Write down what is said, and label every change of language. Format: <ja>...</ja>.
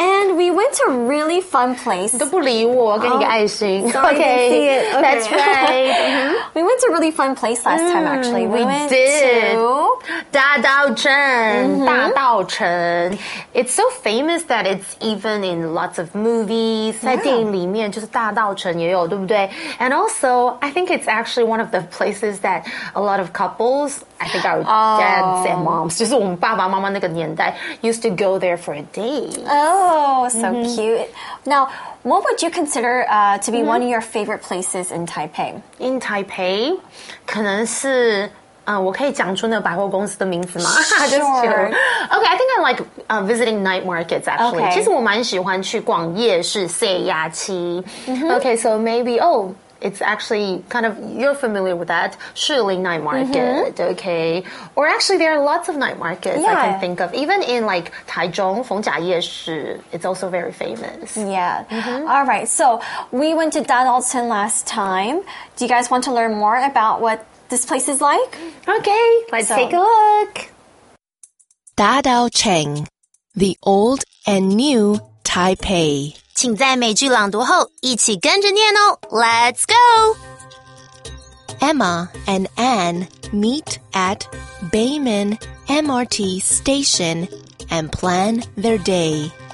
<en>And we went to a really fun place.</en> <zh>都不理我，给你个爱心。</zh> <en>Okay, that's right. We went to a really fun place last time, actually. We went to 大道城。 It's so famous that it's even in lots of movies.</en> <zh>在电影里面就是大道城也有，对不对？</zh> <en>And also, I think it's actually one of the places that a lot of couples, I think our dads and moms,</en> <zh>就是我们爸爸妈妈那个年代,</zh> <en>used to go there for a date. Oh, so cute. Now, what would you consider to be one of your favorite places in Taipei? In Taipei,</en> <zh>可能是... 我可以讲出那个百货公司的名字吗?</zh> <en>Sure. Okay, I think I like visiting night markets, actually. Okay.</en> <zh>其实我蛮喜欢去逛夜市四一七。</zh> <en>Okay, so maybe, it's actually kind of, you're familiar with that, Shiling Night Market, okay. Or actually, there are lots of night markets I can think of. Even in like Taichung, 逢甲夜市, it's also very famous. Yeah. Mm-hmm. All right, so we went to Dadalton last time. Do you guys want to learn more about what this place is like? Okay, let's take a look. Dadalcheng, the old and new Taipei.</en> <zh>请在每句朗读后一起跟着念哦!</zh> <en>Let's go! Emma and Anne meet at Baiman MRT station and plan their day.</en>